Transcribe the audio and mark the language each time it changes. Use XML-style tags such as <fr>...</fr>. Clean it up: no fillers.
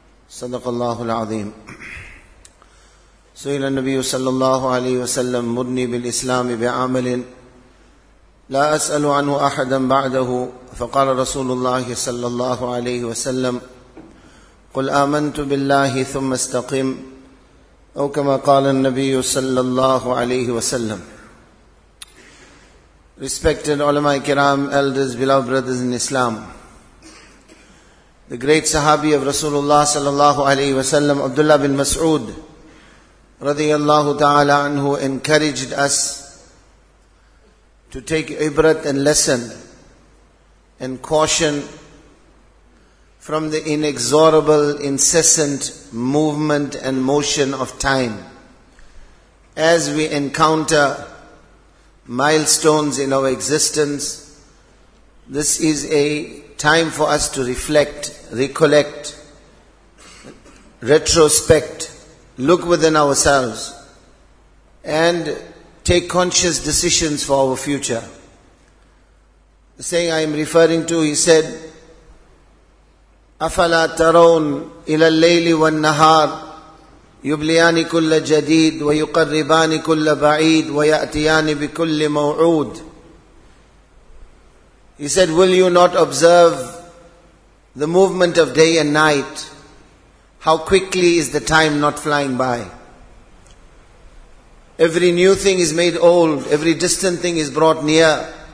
<ar>صدق الله العظيم. سئل النبي صلى الله عليه وسلم: مرني بالإسلام بعمل لا أسأل عنه أحدا بعده. فقال رسول الله صلى الله عليه وسلم: قل آمنت بالله ثم استقم، أو كما قال النبي صلى الله عليه وسلم.</ar> <en>Respected علماء کرام, elders, beloved brothers in Islam, the great Sahabi of Rasulullah صلى الله عليه وسلم, Abdullah bin Mas'ud رضي الله تعالى عنه, encouraged us to take ibrat and lesson and caution from the inexorable, incessant movement and motion of time. As we encounter milestones in our existence, this is a time for us to reflect, recollect, retrospect, look within ourselves, and take conscious decisions for our future. The saying I am referring to, he said,</en> <ar>أَفَلَا تَرَوْنَ إِلَى اللَّيْلِ وَالنَّهَارِ يُبْلِيَانِ كُلَّ جَدِيدِ وَيُقَرِّبَانِ كُلَّ بَعِيدِ وَيَأْتِيَانِ بِكُلِّ مَوْعُودِ.</ar> <en>He said, will you not observe the movement of day and night? How quickly is the time not flying by? Every new thing is made old, every distant thing is brought near.</en>